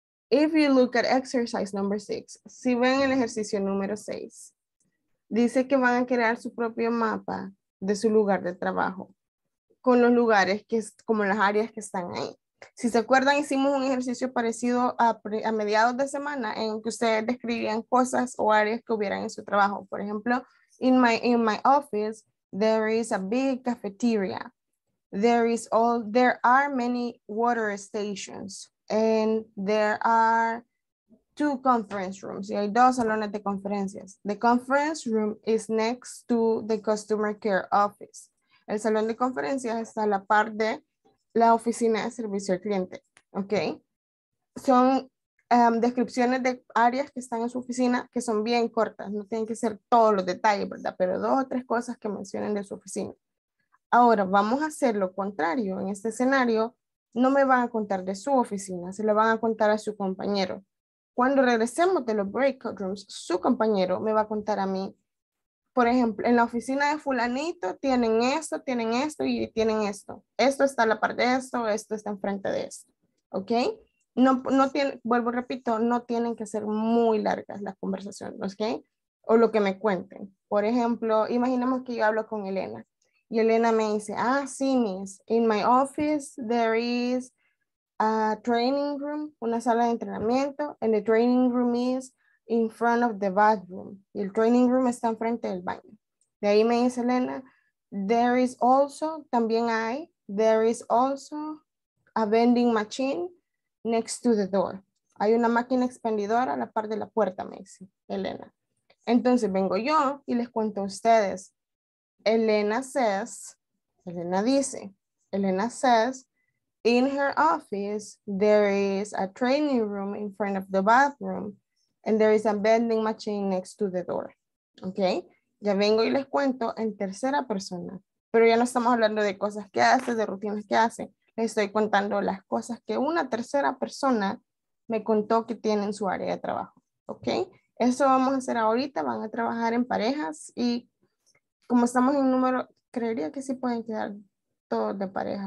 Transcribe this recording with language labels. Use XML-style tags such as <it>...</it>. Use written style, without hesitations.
<en>If you look at exercise number six,</en> <es>si ven el ejercicio número seis, dice que van a crear su propio mapa de su lugar de trabajo con los lugares que es como las áreas que están ahí. Si se acuerdan, hicimos un ejercicio parecido a mediados de semana en que ustedes describían cosas o áreas que hubieran en su trabajo. Por ejemplo,</es> <en>in my office, there is a big cafeteria. There are many water stations and there are two conference rooms.</en> <es>Y hay dos salones de conferencias.</es> <en>The conference room is next to the customer care office.</en> <es>El salón de conferencias está a la par de la oficina de servicio al cliente. Okay. Son descripciones de áreas que están en su oficina que son bien cortas, no tienen que ser todos los detalles, ¿verdad? Pero dos o tres cosas que mencionen de su oficina. Ahora, vamos a hacer lo contrario. En este escenario, no me van a contar de su oficina, se lo van a contar a su compañero. Cuando regresemos de los breakout rooms, su compañero me va a contar a mí, por ejemplo, en la oficina de fulanito tienen esto y tienen esto. Esto está a la par de esto, esto está enfrente de esto. ¿Ok? No tienen que ser muy largas las conversaciones, ¿ok? O lo que me cuenten. Por ejemplo, imaginemos que yo hablo con Elena Y Elena me dice, ah, sí, miss.</es> <en>In my office, there is a training room,</en> <es>una sala de entrenamiento,</es> <en>and the training room is in front of the bathroom.</en> <es>Y el training room está enfrente del baño. De ahí me dice Elena,</es> <en>there is also,</en> <es>también hay,</es> <en>there is also a vending machine next to the door.</en> <es>Hay una máquina expendedora a la par de la puerta, me dice Elena. Entonces vengo yo y les cuento a ustedes.</es> <en>Elena says, in her office, there is a training room in front of the bathroom, and there is a vending machine next to the door.</en> <es>Okay, ya vengo y les cuento en tercera persona, pero ya no estamos hablando de cosas que hace, de rutinas que hace. Les estoy contando las cosas que una tercera persona me contó que tiene en su área de trabajo. Okay, eso vamos a hacer ahorita, van a trabajar en parejas y como estamos en número, creería que sí pueden quedar todos de pareja.</es>